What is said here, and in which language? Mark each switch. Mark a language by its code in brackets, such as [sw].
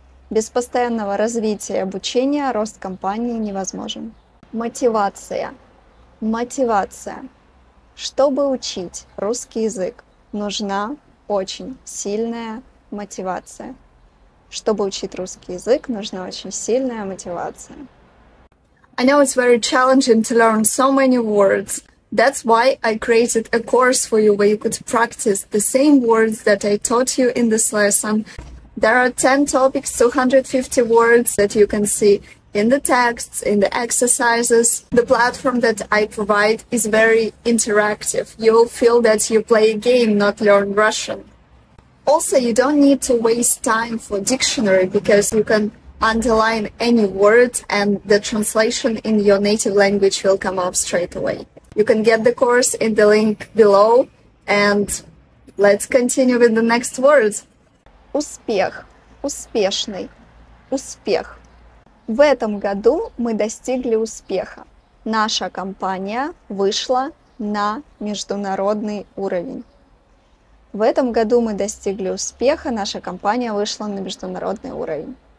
[ru] Без постоянного развития и обучения рост компании невозможен. Мотивация. Мотивация. Чтобы учить русский язык, нужна очень сильная мотивация. Чтобы учить русский язык, нужна очень сильная мотивация. [en] I know it's very challenging to learn so many words. That's why I created a course for you where you could practice the same words that I taught you in this lesson. There are 10 topics, 250 words that you can see in the texts, in the exercises. The platform that I provide is very interactive. You'll feel that you play a game, not learn Russian. Also, you don't need to waste time for dictionary because you can underline any word and the translation in your native language will come up straight away. You can get the course in the link below and let's continue with the next word. [ru] Успех. Успешный. Успех. В этом году мы достигли успеха. Наша компания вышла на международный уровень. В этом году мы достигли успеха. Наша компания вышла на международный уровень.